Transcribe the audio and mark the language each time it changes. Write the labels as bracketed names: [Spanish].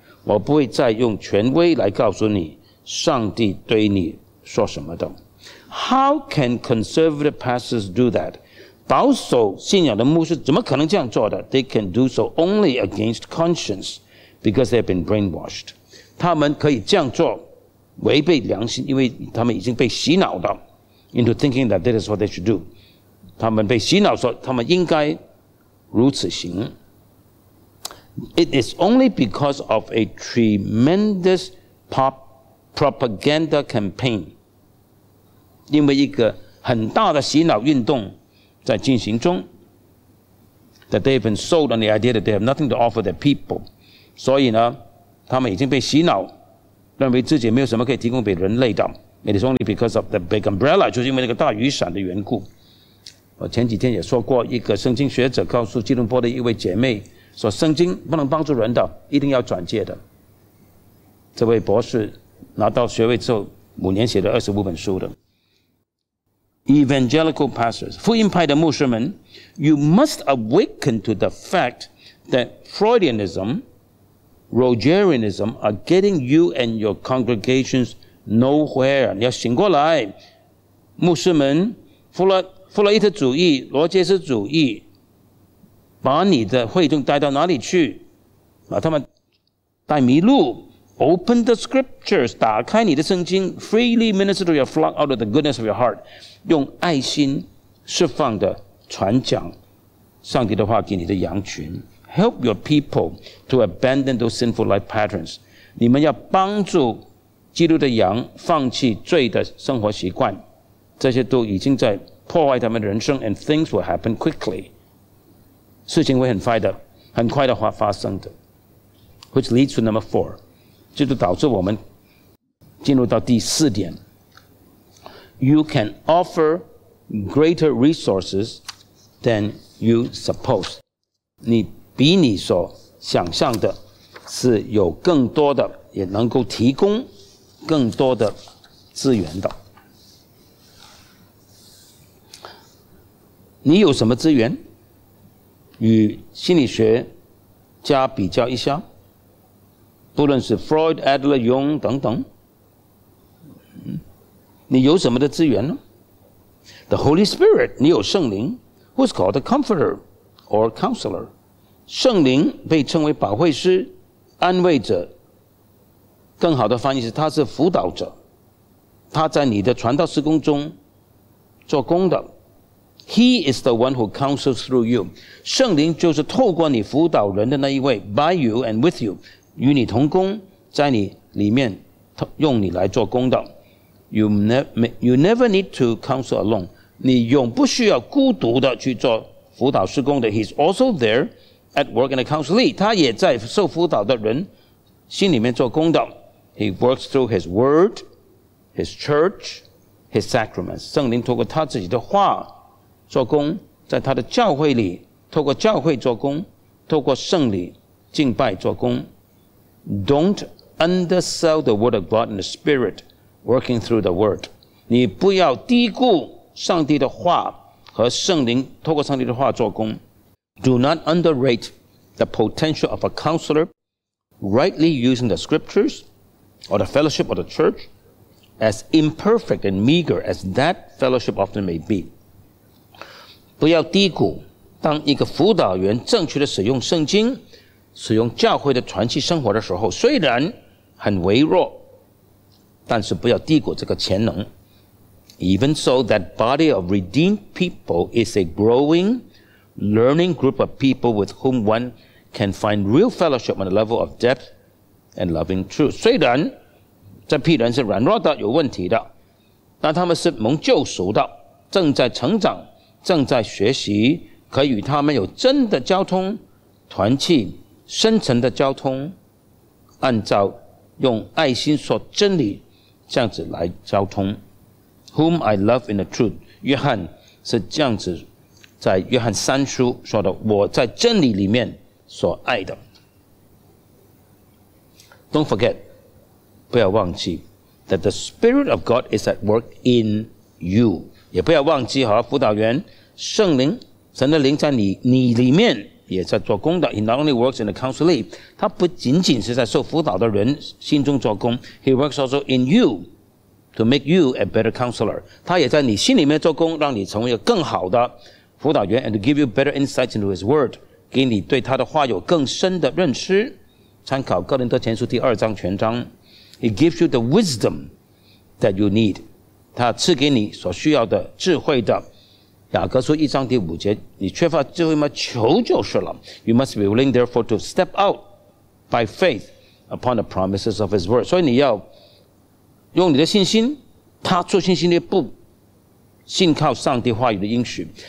[Chinese] 我不会再用权威来告诉你上帝对你说什么的。 [English] How can conservative pastors do that? [Chinese] 保守信仰的牧师怎么可能这样做的？ [English] They can do so only against conscience because they have been brainwashed. [Chinese] 他们可以这样做违背良心，因为他们已经被洗脑了 [English] into thinking that that is what they should do. [Chinese] 他们被洗脑说他们应该如此行。 [English] It is only because of a tremendous propaganda campaign, [Chinese] 因为一个很大的洗脑运动在进行中 [English] that they have been sold on the idea that they have nothing to offer their people. [Chinese] 所以呢，他们已经被洗脑，认为自己没有什么可以提供给人类的。 [English] It is only because of the big umbrella, [Chinese] 就是因为那个大雨伞的缘故。我前几天也说过，一个圣经学者告诉吉隆坡的一位姐妹说，圣经不能帮助人的，一定要转介的。这位博士拿到学位之后，五年写了25本书的。 [English] Evangelical pastors, [Chinese] 福音派的牧师们， [English] you must awaken to the fact that Freudianism, Rogerianism are getting you and your congregations nowhere. [Chinese] 你要醒过来，牧师们，弗洛伊德主义、罗杰斯主义，把你的会众带到哪里去？把他们带迷路。 [English] Open the scriptures, [Chinese] 打开你的圣经 [English] freely minister to your flock out of the goodness of your heart. [Chinese] 用爱心释放的传讲上帝的话给你的羊群。 [English] Help your people to abandon those sinful life patterns. [Chinese] 你们要帮助基督的羊放弃罪的生活习惯。这些都已经在破坏他们的人生 [English] and things will happen quickly. [Chinese] 事情会很快的发生的。 [English] Which leads to number four. [Chinese] 这就导致我们进入到第四点。 You can offer greater resources than you suppose. 你比你所想象的是有更多的，也能够提供更多的资源的。你有什么资源？与心理学家比较一下。不论是 Freud, Adler, Jung 等等，你有什么的资源呢？ [English] The Holy Spirit, [Chinese] 你有圣灵， [English] who's called the Comforter or Counselor. [Chinese] 圣灵被称为保惠师、安慰者，更好的翻译是他是辅导者，他在你的传道事工中做工的。 [English] He is the one who counsels through you， [Chinese] 圣灵就是透过你辅导人的那一位， [English] by you and with you， [Chinese] 与你同工，在你里面用你来做工的。 [English] You never need to counsel alone， [Chinese] 你永不需要孤独的去做辅导事工的。 [English] He's also there at work in the counselee， [Chinese] 他也在受辅导的人心里面做工的。 [English] He works through his word, his church, his sacraments. [Chinese] 圣灵透过他自己的话做工，在他的教会里，透过教会做工，透过圣礼敬拜做工。 [English] Don't undersell the word of God and the spirit working through the word. [Chinese] 你不要低估上帝的话和圣灵透过上帝的话做工。 [English] Do not underrate the potential of a counselor rightly using the scriptures,or the fellowship of the church, as imperfect and meager as that fellowship often may be. [Chinese] 不要低估当一个辅导员正确地使用圣经，使用教会的团契生活的时候，虽然很微弱，但是不要低估这个潜能。 [English] Even so, that body of redeemed people is a growing, learning group of people with whom one can find real fellowship on a level of depthand loving truth. [Chinese] 虽然这批人是软弱的，有问题的，但他们是蒙救赎的，正在成长，正在学习，可以与他们有真的交通，团契深层的交通，按照用爱心说真理这样子来交通。 [English] Whom I love in the truth， [Chinese] 约翰是这样子在约翰三书说的，我在真理里面所爱的。 [English] Don't forget, [Chinese] 不要忘记 [English] that the Spirit of God is at work in you. [Chinese] 也不要忘记和辅导员圣灵神的灵在 你里面也在做工的。 [English] He not only works in the counselee, [Chinese] 他不仅仅是在受辅导的人心中做工， [English] He works also in you to make you a better counselor. [Chinese] 他也在你心里面做工，让你成为一个更好的辅导员， [English] and to give you better insights into his word, [Chinese] 给你对他的话有更深的认识。参考哥林多前书第二章全章， [English] He gives you the wisdom that you need， [Chinese] 他赐给你所需要的智慧的。雅各书一章第五节，你缺乏智慧吗？求就是了。 [English] You must be willing therefore to step out by faith upon the promises of his word， [Chinese] 所以你要用你的信心踏出信心的一步，信靠上帝话语的应许。